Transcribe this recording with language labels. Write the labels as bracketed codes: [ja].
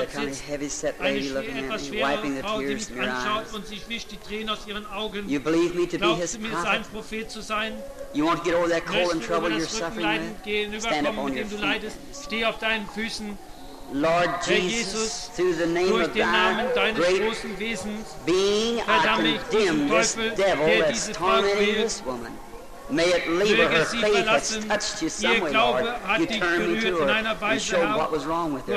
[en] the kind of heavy-set lady looking at me, wiping the tears from your eyes. [de] Und sie wischt die Tränen aus ihren Augen. [en] You believe me to [de] glaubst mir, sein Prophet zu sein? [en] You want to get over that cold and trouble you're suffering with? Stand up on your [de] du leidest, steh auf deinen Füßen. [en] Lord Jesus, through the name [de] durch den Namen deines [en] great [de] großen Wesens, [en] being, I condemn this devil that's tormenting this woman. May it leave her faith has touched you some way, Lord. You turned me to her. You showed what was wrong with her.